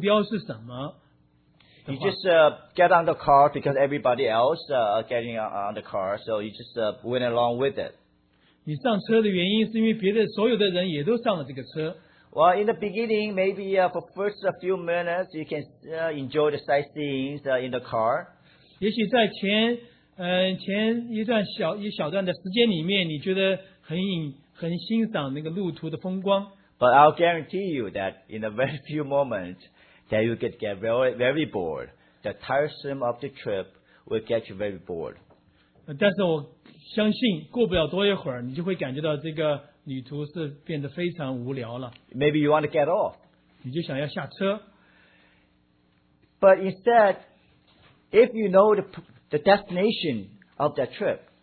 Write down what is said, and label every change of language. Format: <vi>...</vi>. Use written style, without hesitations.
<zh>你跳上一个汽车，你如果不知道你的目标是什么，</zh> <en>you just get on the car because everybody else getting on the car, so you just went along with it.</en> <zh>你上车的原因是因为别的所有的人也都上了这个车。</zh> <en>Well, in the beginning, maybe for first few minutes, you can enjoy the sightseeing in the car.</en> <zh>也许在前一段小段的时间里面，你觉得很欣赏那个路途的风光。</zh> <en>But I'll guarantee you that in a very few moments, that you could get very, very bored. The tiresome of the trip will get you very bored.</en> <zh>但是我相信，过不了多一会儿，你就会感觉到这个。旅途是变得非常无聊了。</zh> <en>Maybe you want to get off.</en> <zh>你就想要下车。</zh> <en>But instead, if you know the destination of that trip,</en>